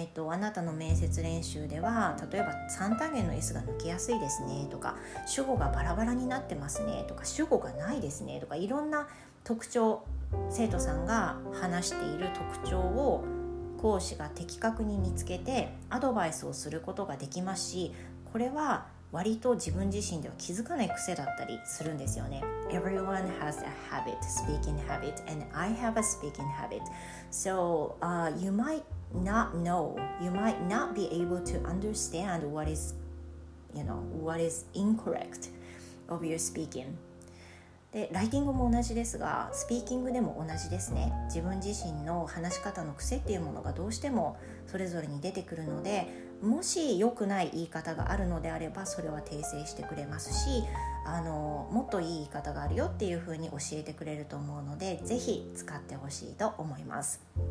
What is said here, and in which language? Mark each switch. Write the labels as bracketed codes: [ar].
[ja] あなたの面接練習では例えば3単元の S が抜けやすいですねとか、主語がバラバラになってますねとか、主語がないですねとか、いろんな特徴、生徒さんが話している特徴を講師が的確に見つけてアドバイスをすることができますし、これは割と自分自身では気づかない癖だったりするんですよね。 [en] Everyone has a habit, speaking habit, and I have a speaking habit. So、you mightnot know, you might not be able to understand what is, you know, what is incorrect of your speaking. [ja] で、ライティングも同じですが、スピーキングでも同じですね。自分自身の話し方の癖っていうものがどうしてもそれぞれに出てくるので、もし良くない言い方があるのであれば、それは訂正してくれますし、もっといい言い方があるよっていうふうに教えてくれると思うので、ぜひ使ってほしいと思います。